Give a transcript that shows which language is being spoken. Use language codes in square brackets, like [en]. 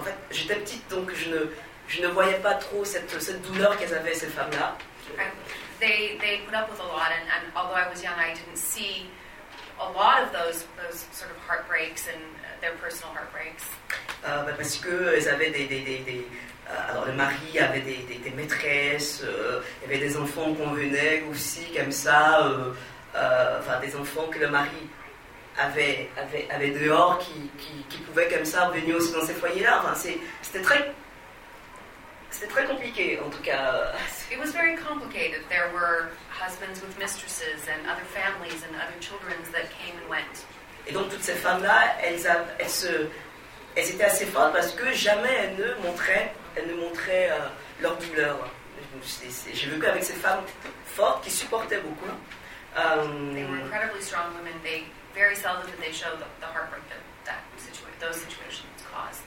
[fr] J'étais petite, donc je ne voyais pas trop cette douleur qu'elles avaient ces femmes-là. [en] They put up with a lot, and although I was young, I didn't see a lot of those sort of heartbreaks and their personal heartbreaks. [fr] Parce que elles avaient des alors le mari avait des maîtresses, il y avait des enfants qu'on venait aussi comme ça. Des enfants que le mari avait dehors qui pouvaient comme ça venir aussi dans ces foyers-là. Enfin, c'était très compliqué, en tout cas. [en] It was very complicated. There were husbands with mistresses and other families and other children that came and went. [fr] Et donc toutes ces femmes-là, elles étaient assez fortes parce que jamais elles ne montraient leur douleur. J'ai vécu avec ces femmes fortes qui supportaient beaucoup. [en] They were incredibly strong women. They very seldom did they show the heartbreak those situations caused.